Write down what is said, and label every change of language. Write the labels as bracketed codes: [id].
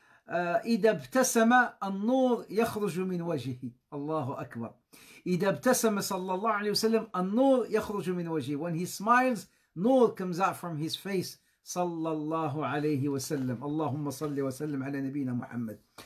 [ar] إذا ابتسم النور يخرج من وجهه الله أكبر إذا ابتسم صلى الله عليه وسلم النور يخرج من وجهه. [en] When he smiles, نور comes out from his face [ar] صلى الله عليه وسلم. اللهم صل وسلم على نبينا محمد.